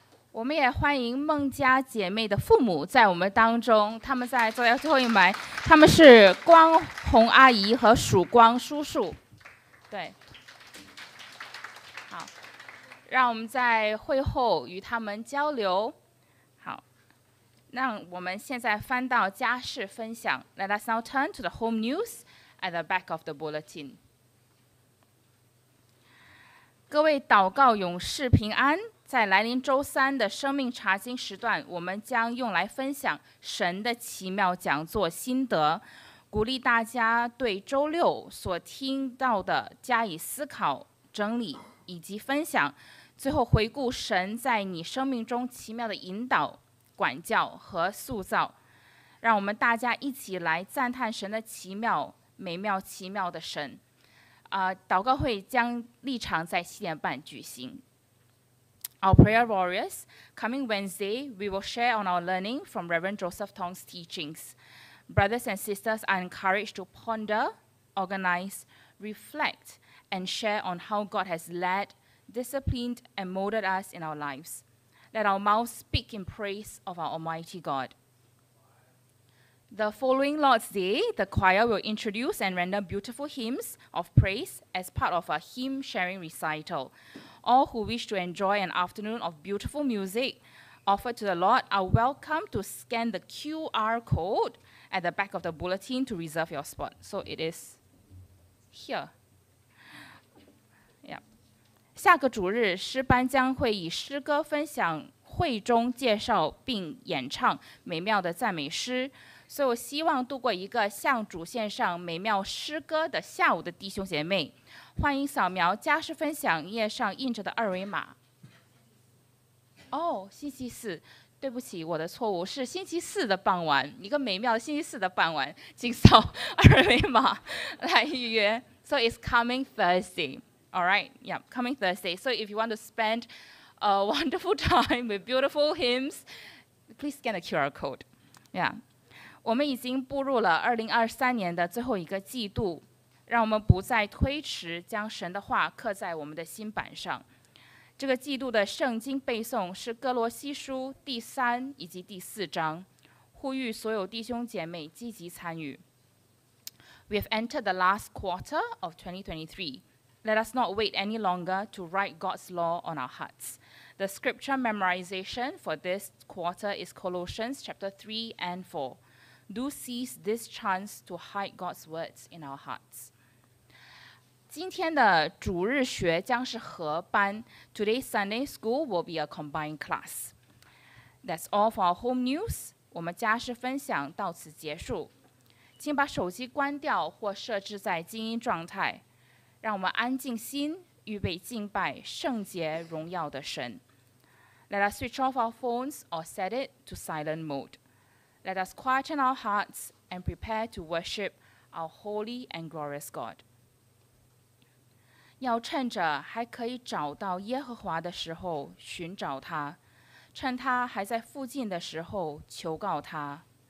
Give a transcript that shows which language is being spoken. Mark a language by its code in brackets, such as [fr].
[zh] 我们也欢迎孟家姐妹的父母在我们当中，他们在坐在最后一排，他们是光红阿姨和曙光叔叔。对，好，让我们在会后与他们交流。好，那我们现在翻到家事分享。 [en] Let us now turn to the home news at the back of the bulletin. [zh] 各位祷告勇士平安。在来临周三的生命查经时段，我们将用来分享神的奇妙讲座心得，鼓励大家对周六所听到的加以思考、整理以及分享，最后回顾神在你生命中奇妙的引导、管教和塑造。让我们大家一起来赞叹神的奇妙、美妙、奇妙的神。祷告会将立场在7:30举行。 [en] Our prayer warriors, coming Wednesday, we will share on our learning from Reverend Joseph Tong's teachings. Brothers and sisters are encouraged to ponder, organize, reflect, and share on how God has led, disciplined, and molded us in our lives. Let our mouths speak in praise of our Almighty God. The following Lord's Day, the choir will introduce and render beautiful hymns of praise as part of a hymn-sharing recital. All who wish to enjoy an afternoon of beautiful music offered to the Lord are welcome to scan the QR code at the back of the bulletin to reserve your spot. So it is here. Yep. [zh] 下个主日，诗班将会以诗歌分享会中介绍并演唱美妙的赞美诗。所以我希望度过一个向主献上美妙诗歌的下午的弟兄姐妹，欢迎扫描家事分享页上印着的二维码。哦，星期四，对不起，我的错误，是星期四的傍晚，一个美妙星期四的傍晚，请扫二维码来预约。 [en] So it's coming Thursday, all right? Yeah, coming Thursday. So if you want to spend a wonderful time with beautiful hymns, please scan the QR code. Yeah. [zh] 我们已经步入了2023年的最后一个季度，让我们不再推迟将神的话刻在我们的心板上。这个季度的圣经背诵是哥罗西书第三以及第四章，呼吁所有弟兄姐妹积极参与。 [en] We have entered the last quarter of 2023. Let us not wait any longer to write God's law on our hearts. The scripture memorization for this quarter is Colossians chapter 3 and 4. Do seize this chance to hide God's words in our hearts. [zh] 今天的主日学将是合班。 [en] Today's Sunday school will be a combined class. That's all for our home news. [zh] 我们家事分享到此结束。请把手机关掉或设置在静音状态，让我们安静心，预备敬拜圣洁荣耀的神。 [en] Let us switch off our phones or set it to silent mode. Let us quieten our hearts and prepare to worship our holy and glorious God. [zh] 要趁着还可以找到耶和华的时候寻找他，趁他还在附近的时候求告他。